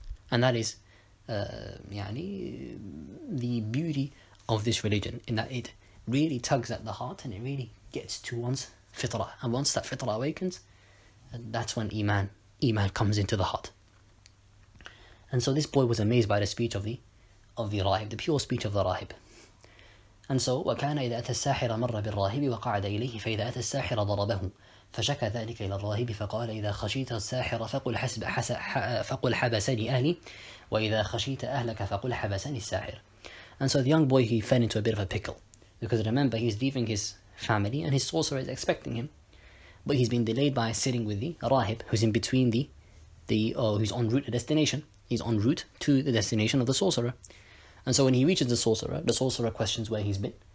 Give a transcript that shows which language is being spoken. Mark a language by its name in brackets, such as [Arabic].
[English] And that is the beauty of this religion, in that it really tugs at the heart and it really gets to one's [Arabic] فطرة. [English] And once that fitra awakens, that's when iman comes into the heart. And so this boy was amazed by the speech of the rahib, the pure speech of the rahib. And so [Arabic] وَكَانَ إِذَا أَتَى السَّاحِرَ مَرَّ بِالرَّاهِبِ وَقَعَدَ إِلَيْهِ فَإِذَا أَتَى السَّاحِرَ ضَرَبَهُ فشكى ذلك إلى الراهب فقال إذا خشيت الساحر فقل حبسني أهلي وإذا خشيت أهلك فقل حبسني الساحر. [English] And so the young boy, he fell into a bit of a pickle, because remember, he's leaving his family and his sorcerer is expecting him, but he's been delayed by sitting with the rahib, who's in between who's en route to destination. He's en route to the destination of the sorcerer. And so when he reaches the sorcerer questions where he's been.